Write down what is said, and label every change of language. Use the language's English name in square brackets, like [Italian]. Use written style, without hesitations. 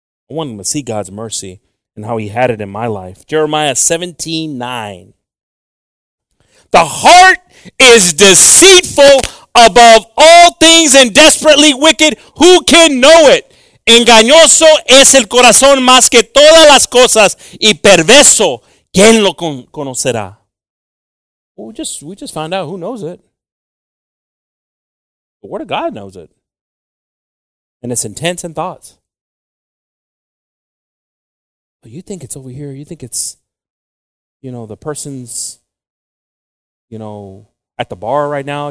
[English] I want them to see God's mercy and how he had it in my life. Jeremiah 17:9. The heart is deceitful above all things and desperately wicked. Who can know it? [Spanish] Engañoso es el corazón más que todas las cosas. Y perverso, ¿quién lo conocerá? [English] We just found out who knows it. The Word of God knows it. And its intents and thoughts. But you think it's over here. You think it's, you know, the person's, you know, at the bar right now.